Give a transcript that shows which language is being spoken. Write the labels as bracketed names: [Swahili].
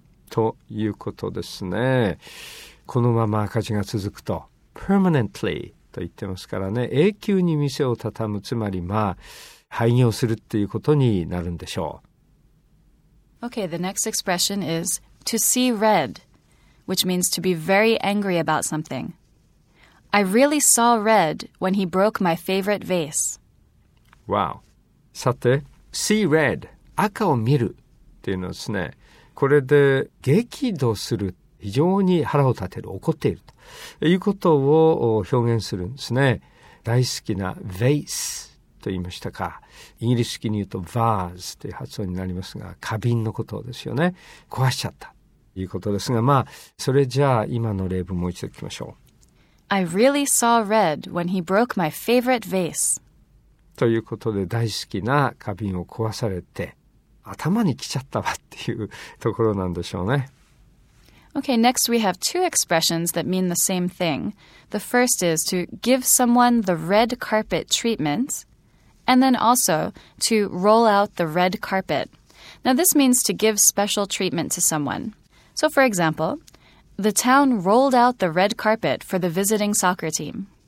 [Japanese] ということですね。このまま赤字が続くと。 Permanently と言ってますからね、永久に店を畳む、つまりまあ廃業するっていうことになるんでしょう。 [English] Okay, the next expression is to see red, which means to be very angry about something. I really saw red when he broke my favorite vase. [Japanese] Wow. さて、 see red, 赤を見るっていうのですね。これで激怒する、非常に腹を立てる、怒っているということを表現するんですね。大好きなヴェイスと言いましたか。イギリス式に言うとヴァーズという発音になりますが、花瓶のことですよね。壊しちゃったということですが、まあそれじゃあ今の例文もう一度聞きましょう。 [English] I really saw red when he broke my favorite vase. [Japanese] ということで、大好きな花瓶を壊されて頭に来ちゃったわっていうところなんでしょうね。 [English] Okay, next we have two expressions that mean the same thing. The first is to give someone the red carpet treatment, and then also to roll out the red carpet. Now, this means to give special treatment to someone. So, for example, the town rolled out the red carpet for the visiting soccer team.